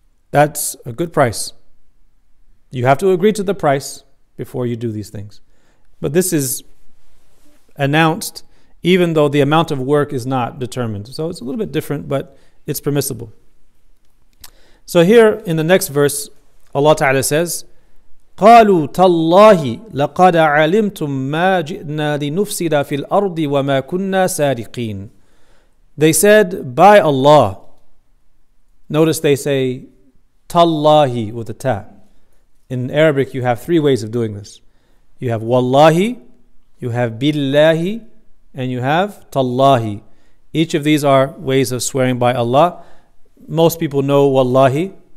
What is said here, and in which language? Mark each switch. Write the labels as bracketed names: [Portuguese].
[English] That's a good price. You have to agree to the price before you do these things. But this is announced, even though the amount of work is not determined. So it's a little bit different, but it's permissible. So here in the next verse, Allah Ta'ala says, [Arabic] قَالُوا تَاللَّهِ لَقَدَ عَلِمْتُمْ مَا جِئْنَا لِنُفْسِدَ فِي الْأَرْضِ وَمَا كُنَّا سَارِقِينَ. [English] They said, by Allah. Notice they say, تَاللَّهِ with a ta. In Arabic, you have three ways of doing this. You have wallahi, you have billahi, and you have tallahi. Each of these are ways of swearing by Allah. Most people know wallahi.